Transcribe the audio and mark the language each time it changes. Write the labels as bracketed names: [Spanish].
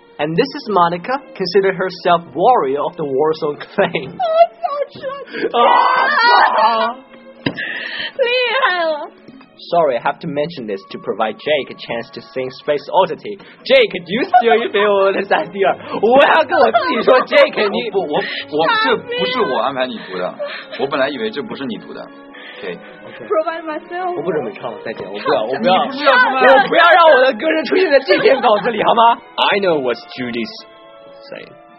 [English] And this is Monica, consider herself warrior of the Warzone clan. [Chinese] 啊，小春。啊。厉害了。 [English] Sorry, I have to mention this to provide Jake a chance to sing Space Oddity. Jake, do you still feel this idea? [Chinese] 我要跟我自己说 Jake, 你不我这不是我安排你读的。我本来以为这不是你读的。 [English] Provide myself. [Chinese] 我不准备唱了，再见，我不要让我的歌声出现在这篇稿子里，好吗？ [English] I know what Judy's saying.